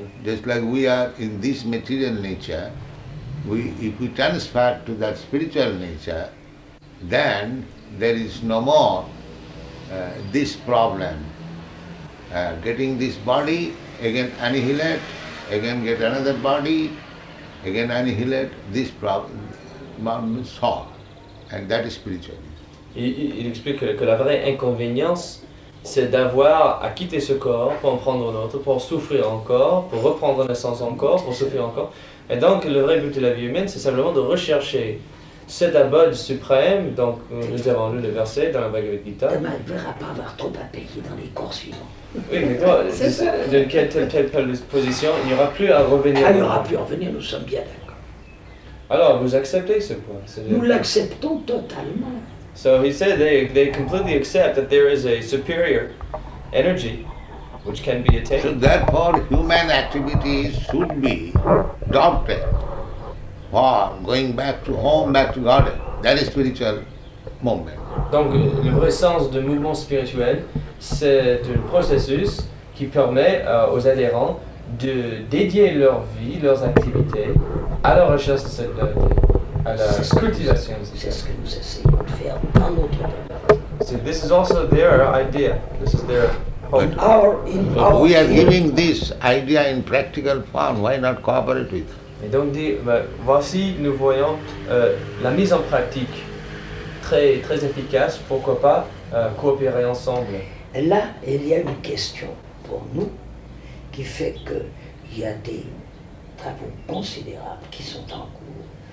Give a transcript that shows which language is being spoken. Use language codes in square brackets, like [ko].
[en] Just like we are in this material nature, if we transfer to that spiritual nature, then there is no more this problem. Getting this body, again annihilate, again get another body, again annihilate, this problem is solved. And that is spiritual. [fr] Il explique que la vraie inconvénience, c'est d'avoir à quitter ce corps pour en prendre un autre, pour souffrir encore, pour reprendre naissance encore, pour souffrir encore. Et donc, le vrai but de la vie humaine, c'est simplement de rechercher cet abode suprême. Donc, nous avons lu le verset dans la Bhagavad Gita. Demain, il ne verra pas avoir trop à payer dans les cours suivants. Oui, mais toi, de quelle position, il n'y aura plus à revenir. Il n'y aura plus à revenir, nous sommes bien d'accord. Alors, vous acceptez ce point? Nous l'acceptons totalement. [en] So he said they completely accept that there is a superior energy which can be attained. So therefore human activities should be adopted for going back to home, back to God. That is spiritual movement. [fr] Donc le vrai sens de mouvement spirituel, c'est un processus qui permet aux adhérents de dédier leur vie, leurs activités à la recherche de cette vérité. C'est ce que nous essayons de faire dans notre [en] programme. See, this is also their idea. This is their hope. But our, in our we are giving this idea in practical form. Why not cooperate with? [fr] Et donc, voici, nous voyons la mise en pratique très très efficace. Pourquoi pas coopérer ensemble? Là, il y a une question pour nous qui fait que il y a des travaux considérables qui sont en cours.